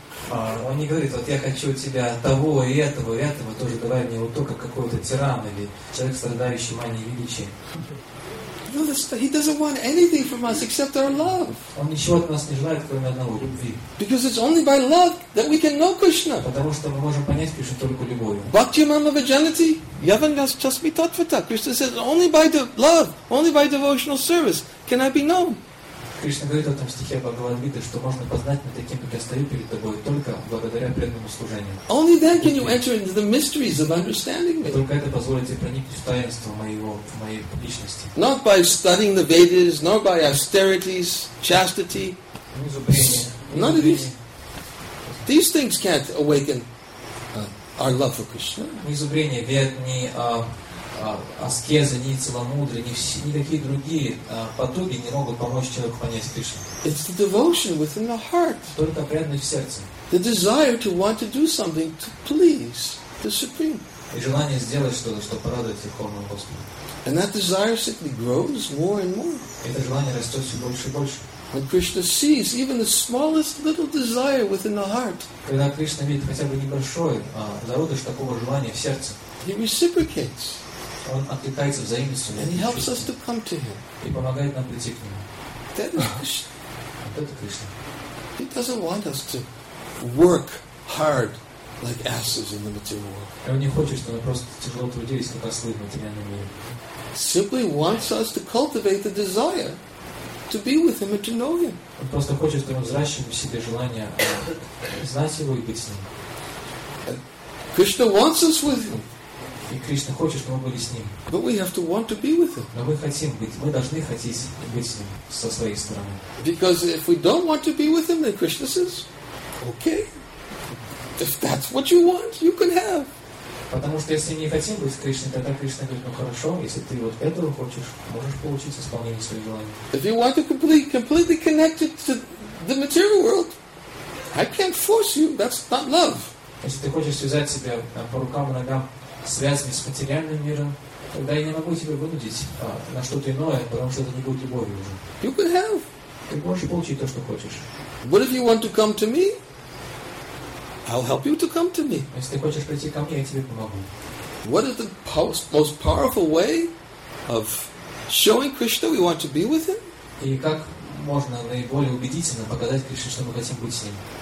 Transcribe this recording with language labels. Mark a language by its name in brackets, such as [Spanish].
[Russian] Он не говорит, вот я хочу от тебя того и этого и этого, тоже давай мне вот только какой-то тиран или человек страдающий манией величия. [English] No, he doesn't want anything from us except our love. [Russian] Он ничего от нас не желает, кроме одного любви. [English] Because it's only by love that we can know Krishna. [Russian] Потому что мы можем понять Кришну только любовью. [Sanskrit] Bhakti mama vijanati yavanas chasmi tatvata. [English] Krishna says, only by the love, only by devotional service can I be known. [Russian] Кришна говорит в этом стихе Бхагавад-гиты, что можно познать меня таким, как я стою перед тобой, только благодаря преданному служению. [English] Only then can you enter into the mysteries of understanding me. [Russian] Только это позволит тебе проникнуть в таинство моей личности. [English] Not by studying the Vedas, nor by austerities, chastity. None of these things can't awaken our love for Krishna. [Russian] Ни зубрение вед, ни аскеза, ни целомудрие, никакие другие потуги не могут помочь человеку понять Кришну. [English] It's the devotion within the heart. [Russian] Только преданность в сердце. [English] The desire to want to do something to please the Supreme. [Russian] И желание сделать что-то, чтобы порадовать Верховного Господа. [English] And that desire simply grows more and more. [Russian] Это желание растет все больше и больше. [English] When Krishna sees even the smallest little desire within the heart, [Russian] когда Кришна видит хотя бы небольшой зародыш такого желания в сердце, [English] he reciprocates. [Russian] Он откликается взаимностью. [English] And he helps us to come to him. [Russian] И помогает нам прийти к нему. [English] That is Krishna. [Russian] Вот это Кришна. [English] He doesn't want us to work hard like asses in the material world. [Russian] И он не хочет, чтобы мы просто тяжело трудились, как ослы в материальном мире. [English] Simply wants us to cultivate the desire to be with him and to know him. [Russian] Он просто хочет, чтобы мы взращивали в себе желание знать его и быть с ним. [English] Krishna wants us with him. [Russian] И Кришна хочет, чтобы мы были с Ним. [English] But we have to want to be with Him. [Russian] Но мы хотим быть, мы должны хотеть быть с Ним со своей стороны. [English] Because if we don't want to be with Him, then Krishna says, okay, if that's what you want, you can have. [Russian] Потому что если не хотим быть с Кришной, тогда Кришна говорит, ну хорошо, если ты вот этого хочешь, можешь получить исполнение своих желаний. [English] If you want to completely connect it to the material world, I can't force you, that's not love. [Russian] Если ты хочешь связать себя там, по рукам и ногам, связанный с материальным миром, тогда я не могу тебя вынудить на что-то иное, потому что это не будет любовью уже. [English] You could have. [Russian] Ты можешь получить то, что хочешь. [English] But if you want to come to me, I'll help you to come to me. [Russian] Если ты хочешь прийти ко мне, я тебе помогу. [English] What is the most powerful way of showing Krishna we want to be with him? [Russian] И как можно наиболее убедительно показать Кришне, что мы хотим быть с ним?